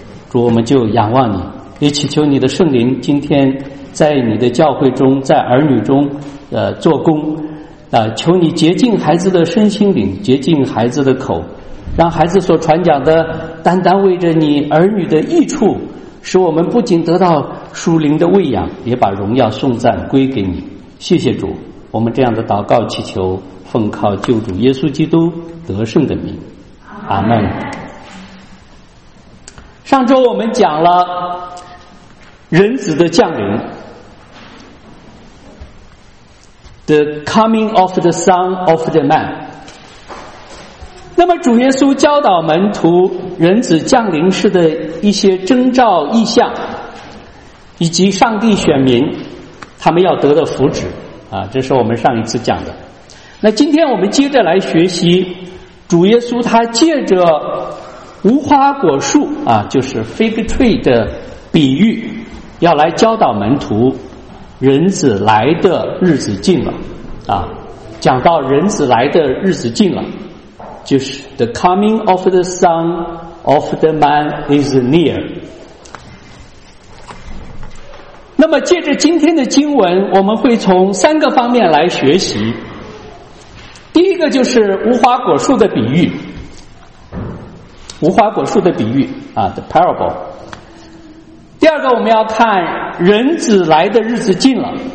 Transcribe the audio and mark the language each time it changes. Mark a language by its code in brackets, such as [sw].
[zh] 主，我们就仰望你，也祈求你的圣灵今天在你的教会中，在儿女中做工啊、求你洁净孩子的身心灵，洁净孩子的口，让孩子所传讲的单单为着你儿女的益处，使我们不仅得到属灵的喂养，也把荣耀颂赞归给你。谢谢主，我们这样的祷告祈求奉靠救主耶稣基督得胜的名，阿们。上周我们讲了人子的降临， [en] The coming of the Son of the Man。 [zh] 那么主耶稣教导门徒人子降临时的一些征兆异象，以及上帝选民他们要得的福祉啊，这是我们上一次讲的。那今天我们接着来学习主耶稣他借着无花果树啊，就是 fig tree 的比喻，要来教导门徒人子来的日子近了啊。讲到人子来的日子近了，就是 [en] the coming of the Son of the Man is near。 [zh] 那么借着今天的经文，我们会从三个方面来学习。第一个就是无花果树的比喻，无花果树的比喻啊 ， [en] the parable。 [zh] 第二个我们要看人子来的日子近了。